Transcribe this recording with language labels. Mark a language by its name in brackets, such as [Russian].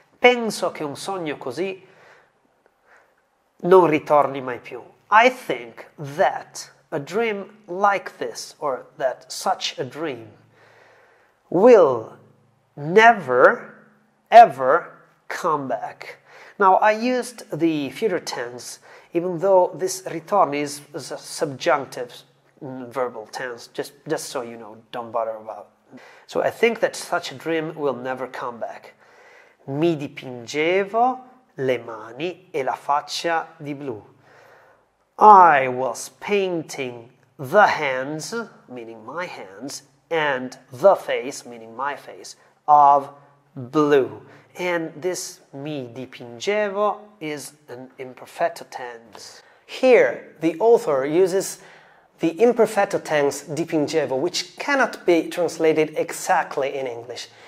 [Italian] Penso che un sogno così non ritorni mai più. [English] I think that a dream like this, or that such a dream, will never, ever come back. Now, I used the future tense, even though this ritorni is a subjunctive verbal tense, just so you know, don't bother about. So I think that such a dream will never come back. [Italian] Mi dipingevo le mani e la faccia di blu. [English] I was painting the hands, meaning my hands, and the face, meaning my face, of blue. And this [Italian] mi dipingevo [English] is an imperfetto tense. Here, the author uses the imperfetto tense dipingevo, which cannot be translated exactly in English.